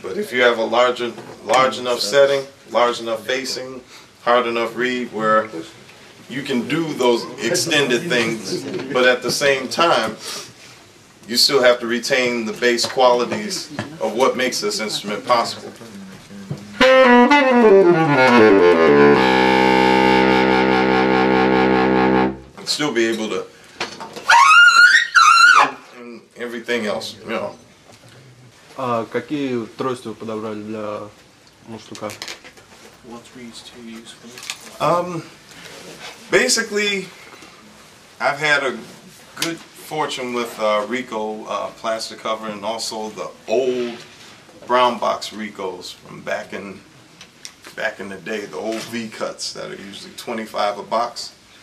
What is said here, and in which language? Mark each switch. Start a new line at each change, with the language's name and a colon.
English: But if you have a large enough setting, large enough facing, hard enough reed, where you can do those extended things, but at the same time, you still have to retain the bass qualities of what makes this instrument possible. Still be able to and everything else, you know.
Russian: А какие трости вы подобрали для мустука?
English: What reeds to use for this? Basically, I've had a good fortune with Ricoh plastic cover and also the old brown box Ricos from back in the day, the old V cuts that are usually 25 a box.